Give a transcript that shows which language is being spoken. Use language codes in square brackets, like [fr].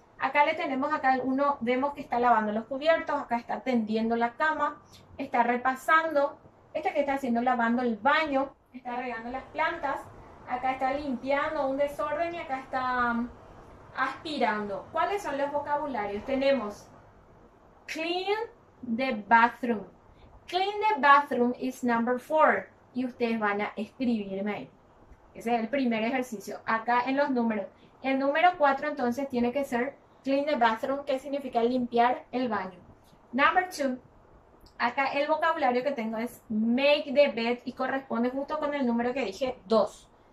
[es] Acá le tenemos, acá uno, vemos que está lavando los cubiertos, acá está tendiendo la cama, está repasando, este que está haciendo, lavando el baño, está regando las plantas, acá está limpiando un desorden y acá está aspirando. ¿Cuáles son los vocabularios? [en] Tenemos clean the bathroom. Clean the bathroom is number four. [es] Y ustedes van a escribirme ahí. Ese es el primer ejercicio. Acá en los números. El número 4 entonces tiene que ser clean the bathroom, que significa limpiar el baño. Number 2, acá el vocabulario que tengo es make the bed y corresponde justo con el número que dije 2.